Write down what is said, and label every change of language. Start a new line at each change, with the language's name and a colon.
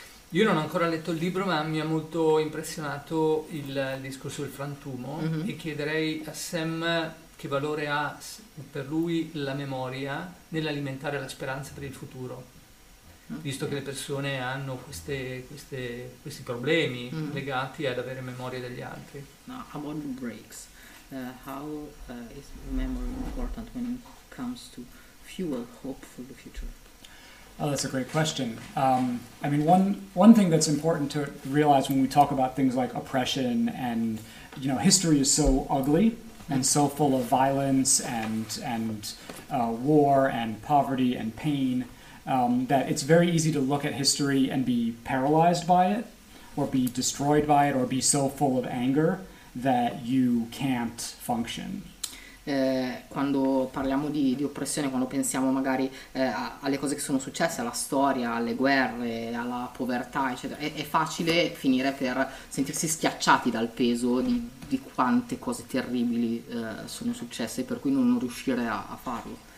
Italian: Io non ho ancora letto il libro, ma mi ha molto impressionato il discorso del frantumo. Mm-hmm. E chiederei a Sam che valore ha per lui la memoria nell'alimentare la speranza per il futuro, visto che le persone hanno questi problemi legati ad avere memoria degli altri.
English: Now, about breaks, how is memory important when it comes to fuel hope for the future? Oh, that's a great question. I mean, one thing that's important to realize when we talk about things like oppression and, you know, history is so ugly and so full of violence and war and poverty and pain, that it's very easy to look at history and be paralyzed by it, or be destroyed by it, or be so full of anger that you can't function.
Italian: Quando parliamo di oppressione, quando pensiamo magari alle cose che sono successe, alla storia, alle guerre, alla povertà, eccetera, è facile finire per sentirsi schiacciati dal peso di quante cose terribili sono successe, per cui non riuscire a farlo.